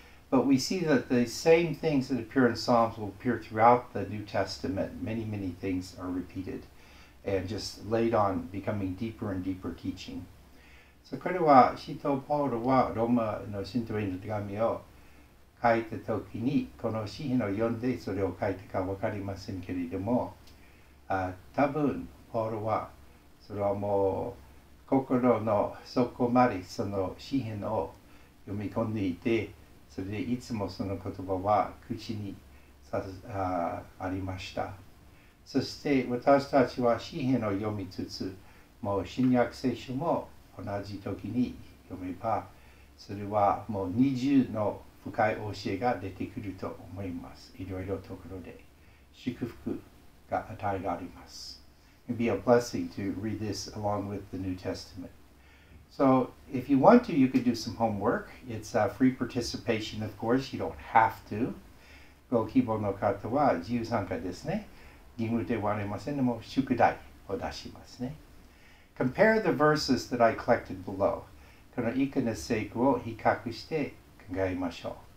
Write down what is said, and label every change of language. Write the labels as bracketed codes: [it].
[en] But we see that the same things that appear in Psalms will appear throughout the New Testament. Many, many things are repeated. And just laid on becoming deeper and deeper teaching. So, [ja] これは使徒パウロはローマの信徒への手紙を書いたときにこの詩編を読んでそれを書いたかわかりませんけれども、多分パウロはそれはもう心の底までその詩編を読み込んでいて、それでいつもその言葉は口にありました。そして私たちは詩編を読みつつ、もう新約聖書も同じ時に読めば、それはもう二重の深い教えが出てくると思います。いろいろところで祝福が与えられます。 [en] It would be a blessing to read this along with the New Testament. So if you want to, you could do some homework. It's a free participation, of course. You don't have to. [ja] ご希望の方は自由参加ですね。義務ではありませんでも宿題を出しますね。 [en] Compare the verses that I collected below. [ja] この以下の聖句を比較して考えましょう。